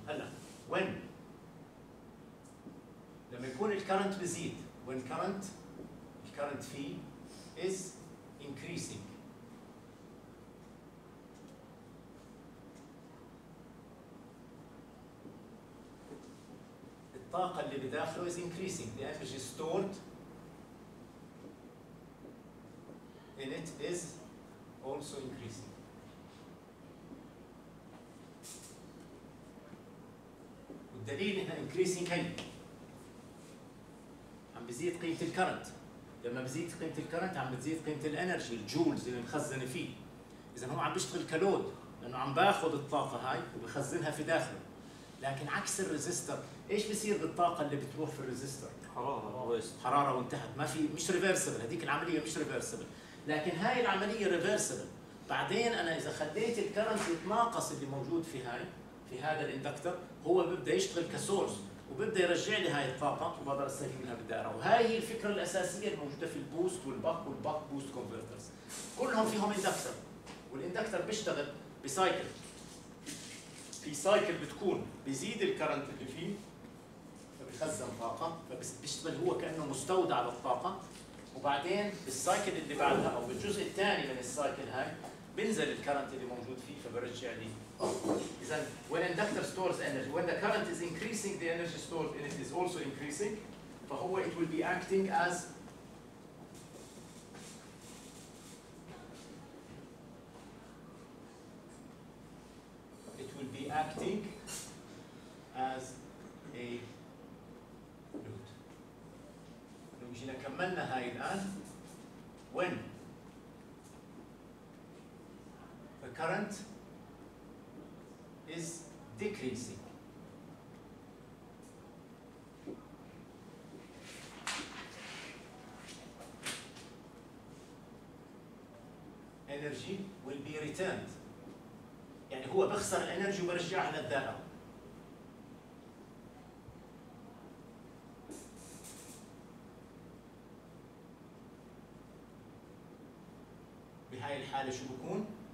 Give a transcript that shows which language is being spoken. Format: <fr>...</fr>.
<ar>هلا وين؟ لما يكون الكرنت بزيد، وين كرنت الكرنت فيه</ar> <en>is increasing.</en> <ar>الطاقة اللي بداخله</ar> <en>is increasing. The energy stored in it is also increasing.</en> <ar>والدليل هنا increasing هي عم بزيد قيمة الكرنت. لما بزيد قيمة الكرنت عم بزيد قيمة الانرجي الجولز اللي مخزنة فيه. إذا هو عم بيشتغل كلود لأنه عم باخذ الطاقة هاي وبخزنها في داخله. لكن عكس الريزيستر، ايش بيصير بالطاقه اللي بتروح في الريزيستر؟ حراره وانتهت. ما في، مش ريفرسبل هذيك العمليه، مش ريفرسبل. لكن هاي العمليه ريفرسبل. بعدين انا اذا خديت الكرنت يتناقص اللي موجود في هاي في هذا الاندكتر، هو بيبدا يشتغل كسورس وبيبدا يرجع لي هاي الطاقه وبقدر استفيد منها بالدائره. وهاي هي الفكره الاساسيه الموجوده في البوست والباك والباك بوست كونفرترز. كلهم فيهم اندكتر، والاندكتر بيشتغل بسايكل. في سايكل بتكون بيزيد الكرنت اللي فيه فبيخزن طاقه، فبيشتغل هو كانه مستودع للطاقه، وبعدين بالسايكل اللي بعدها او بالجزء الثاني من السايكل هاي بنزل الكرنت اللي موجود فيه فبرجع لي.</ar> <en>اذا when inductor stores energy, when the current is increasing the energy stored in it is also increasing, فهو it will be acting as acting as a load.</en> <ar>لو جينا كملنا هاي الآن</ar> <en>when the current is decreasing. Energy will be returned.</en> <ar>يعني هو بخسر الانرجي وبرجعها للذره. بهاي الحاله شو بكون؟</ar>